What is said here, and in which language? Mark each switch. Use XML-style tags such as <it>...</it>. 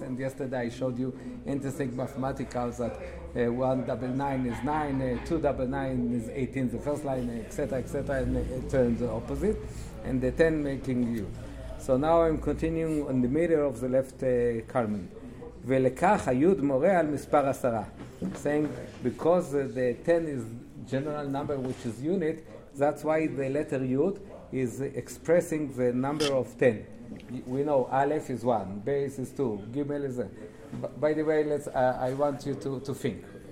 <en>And yesterday I showed you interesting mathematical that 1 double 9 is 9, 2 double 9 is 18, the first line, etc., and it turns the opposite, and the 10 making you. So now I'm continuing on the middle of the left column.</en> <he>ולכך היוד מורה על מספר עשרה.</he> <en>Saying, because the 10 is general number which is unit, that's why the letter yud is expressing the number of 10. We know aleph is 1, beis is 2, gimel is 1. By the way, I want you to think.</en>